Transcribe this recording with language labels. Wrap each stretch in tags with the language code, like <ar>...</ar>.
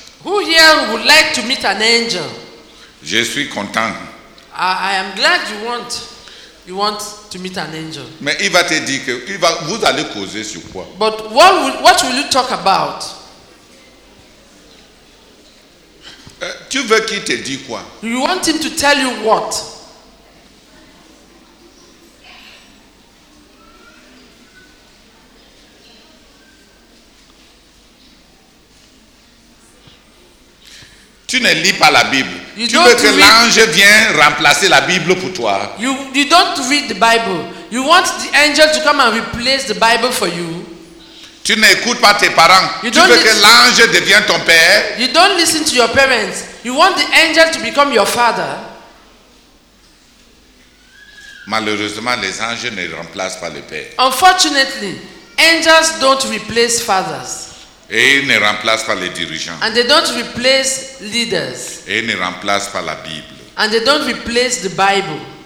<en>Who here would like to meet an angel?</en> <fr>Je suis content.</fr> <en>I am glad you want to meet an angel.</en> <fr>Mais il va te dire que vous allez causer sur quoi?</fr> <en>But what will you talk about?</en> <fr>Tu veux qu'il te dise quoi?</fr> <en>You want him to tell you what?</en> <fr>Tu ne lis pas la Bible. Tu veux que l'ange vienne remplacer la Bible pour toi.</fr> <en>You don't read the Bible. You want the angel to come and replace the Bible for you.</en> <fr>Tu n'écoutes pas tes parents. Tu veux que l'ange devienne ton père.</fr> <en>You don't listen to your parents. You want the angel to become your father.</en> <fr>Malheureusement, les anges ne remplacent pas le père.</fr> <en>Unfortunately, angels don't replace fathers.</en> <fr>Et ils ne remplacent pas les dirigeants.</fr> <en>And they don't replace leaders.</en> <fr>Et ils ne remplacent pas la Bible.</fr> <en>And they don't replace the Bible.</en>